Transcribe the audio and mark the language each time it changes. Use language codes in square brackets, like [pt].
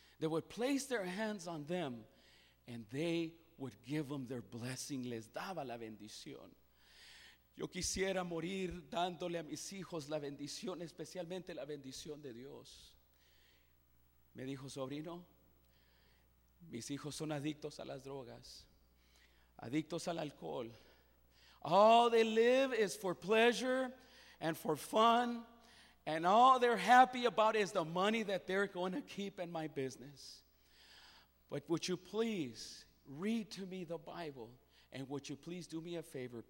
[en] They would place their hands on them and they would give them their blessing. [es] Les daba la bendición. Yo quisiera morir dándole a mis hijos la bendición, especialmente la bendición de Dios. Me dijo, sobrino, mis hijos son adictos a las drogas, adictos al alcohol. [en] All they live is for pleasure and for fun, and all they're happy about is the money that they're going to keep in my business. But would you please read to me the Bible, and would you please do me a favor?